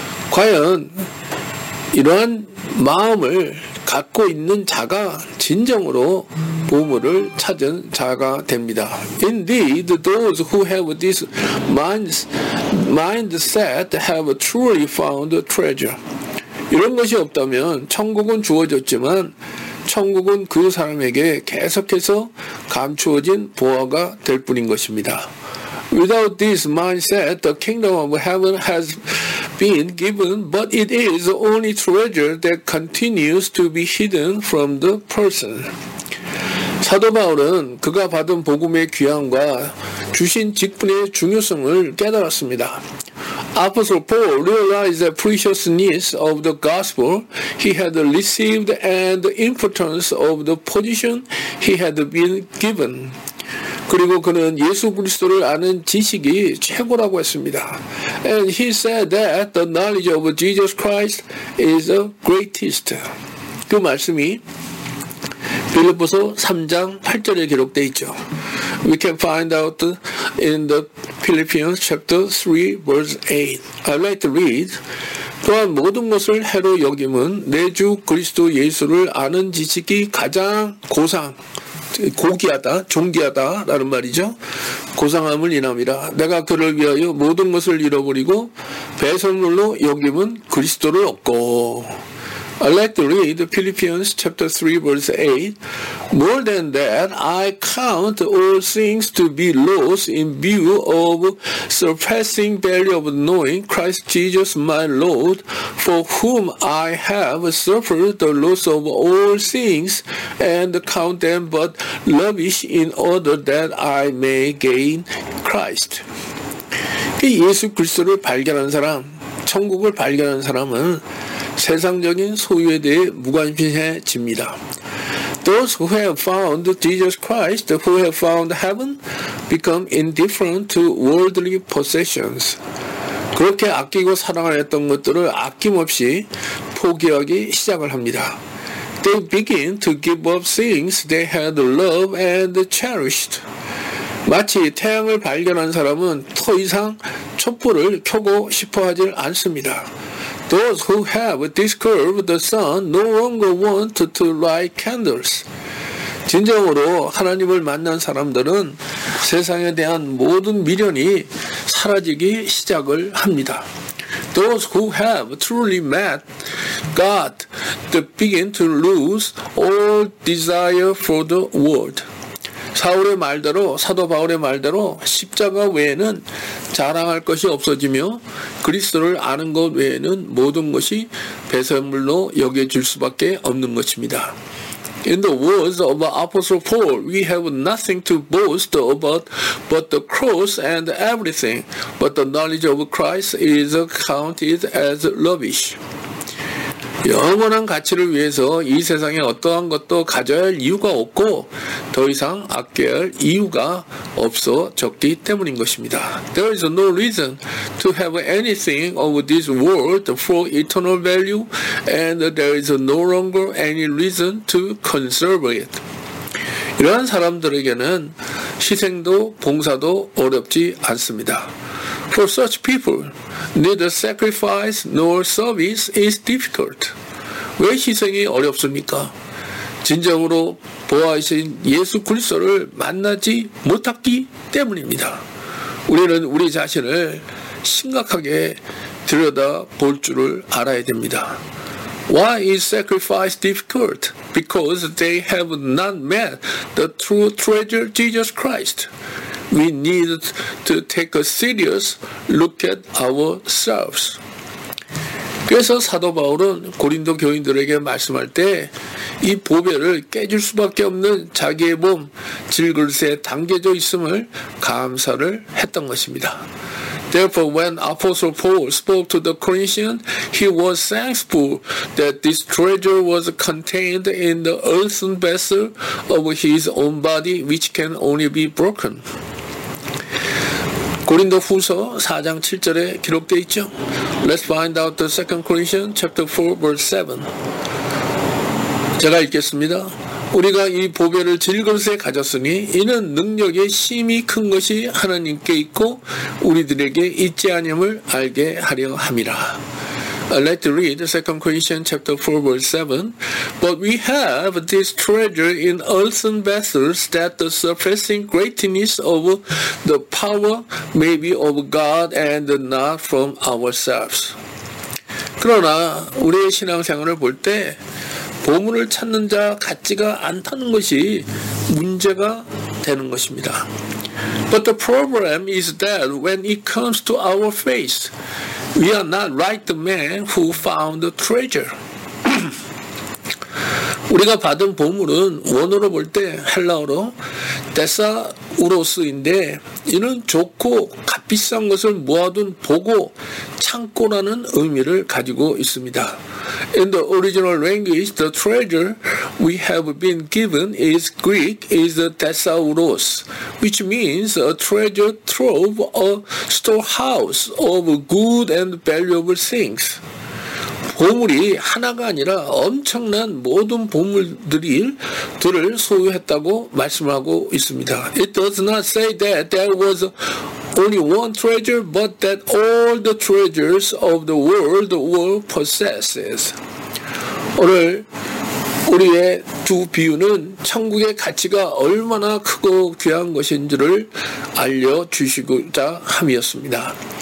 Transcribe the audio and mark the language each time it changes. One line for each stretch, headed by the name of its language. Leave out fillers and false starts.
Korean: 과연 이러한 마음을 갖고 있는 자가 진정으로 보물을 찾은 자가 됩니다.
English: Indeed, those who have this mindset have truly found a treasure.
Korean: 이런 것이 없다면 천국은 주어졌지만 천국은 그 사람에게 계속해서 감추어진 보화가 될 뿐인 것입니다.
English: Without this mindset, the kingdom of heaven has been given, but it is only treasure that continues to be hidden from the person.
Korean: 사도 바울은 그가 받은 복음의 귀함과 주신 직분의 중요성을 깨달았습니다.
English: Apostle Paul realized the preciousness of the gospel he had received and the importance of the position he had been given.
Korean: 그리고 그는 예수 그리스도를 아는 지식이 최고라고 했습니다.
English: And he said that the knowledge of Jesus Christ is the greatest.
Korean: 그 말씀이 빌립보서 3장 8절에 기록되어 있죠.
English: We can find out in the Philippians chapter 3 verse 8. I'd like to read.
Korean: 또한 모든 것을 해로 여김은 내 주 그리스도 예수를 아는 지식이 가장 고상, 고귀하다, 존귀하다 라는 말이죠. 고상함을 인함이라. 내가 그를 위하여 모든 것을 잃어버리고 배설물로 여김은 그리스도를 얻고.
English: I like to read Philippians chapter 3 verse 8. More than that, I count all things to be loss in view of surpassing value of knowing Christ Jesus my Lord, for whom I have suffered the loss of all things and count them but rubbish in order that I may gain Christ.
Korean: 그 예수 그리스도를 발견한 사람, 천국을 발견한 사람은 세상적인 소유에 대해 무관심해집니다.
English: Those who have found Jesus Christ, who have found heaven, become indifferent to worldly possessions.
Korean: 그렇게 아끼고 사랑했던 것들을 아낌없이 포기하기 시작을 합니다.
English: They begin to give up things they had loved and cherished.
Korean: 마치 태양을 발견한 사람은 더 이상 촛불을 켜고 싶어 하지 않습니다.
English: Those who have discovered the sun no longer want to light candles.
Korean: 진정으로 하나님을 만난 사람들은 세상에 대한 모든 미련이 사라지기 시작을 합니다.
English: Those who have truly met God begin to lose all desire for the world.
Korean: 사울의 말대로, 사도 바울의 말대로 십자가 외에는 자랑할 것이 없어지며 그리스도를 아는 것 외에는 모든 것이 배설물로 여겨질 수밖에 없는 것입니다.
English: In the words of Apostle Paul, we have nothing to boast about but the cross and everything, but the knowledge of Christ is counted as rubbish.
Korean: 영원한 가치를 위해서 이 세상에 어떠한 것도 가져야 할 이유가 없고 더 이상 아껴야 할 이유가 없어졌기 때문인 것입니다.
English: There is no reason to have anything of this world for eternal value and there is no longer any reason to conserve it.
Korean: 이러한 사람들에게는 희생도 봉사도 어렵지 않습니다.
English: For such people, neither sacrifice nor service is difficult.
Korean: 왜 희생이 어렵습니까? 진정으로 보아이신 예수 그리스도를 만나지 못했기 때문입니다. 우리는 우리 자신을 심각하게 들여다볼 줄을 알아야 됩니다.
English: Why is sacrifice difficult? Because they have not met the true treasure, Jesus Christ. We need to take a serious look at ourselves.
Korean: 그래서 사도 바울은 고린도 교인들에게 말씀할 때 이 보배를 깨줄 수밖에 없는 자기의 몸, 질그릇에 담겨져 있음을 감사를 했던 것입니다.
English: Therefore, when Apostle Paul spoke to the Corinthians, he was thankful that this treasure was contained in the earthen vessel of his own body, which can only be broken.
Korean: 고린도 후서 4장 7절에 기록되어 있죠.
English: Let's find out the 2 Corinthians chapter 4, verse 7.
Korean: 제가 읽겠습니다. 우리가 이 보배를 질그릇에 가졌으니 이는 능력의 힘이 큰 것이 하나님께 있고 우리들에게 있지 않음을 알게 하려 함이라.
English: Let's read 2 Corinthians chapter 4, verse 7. But we have this treasure in earthen vessels that the surpassing greatness of the power may be of God and not from ourselves.
Korean: 그러나 우리의 신앙생활을 볼 때 보물을 찾는 자 같지가 않다는 것이 문제가 되는 것입니다.
English: But the problem is that when it comes to our faith, we are not like the man who found the treasure.
Korean: 우리가 받은 보물은 원어로 볼 때 헬라어로 데사우로스인데 이는 좋고 값비싼 것을 모아둔 보고 창고라는 의미를 가지고 있습니다.
English: In the original language, the treasure we have been given is Greek, is the thesaurus, which means a treasure trove, a storehouse of good and valuable things.
Korean: 보물이 하나가 아니라 엄청난 모든 보물들을 소유했다고 말씀하고 있습니다.
English: It does not say that there was only one treasure, but that all the treasures of the world were possessed.
Korean: 오늘 우리의 두 비유는 천국의 가치가 얼마나 크고 귀한 것인지를 알려주시고자 함이었습니다.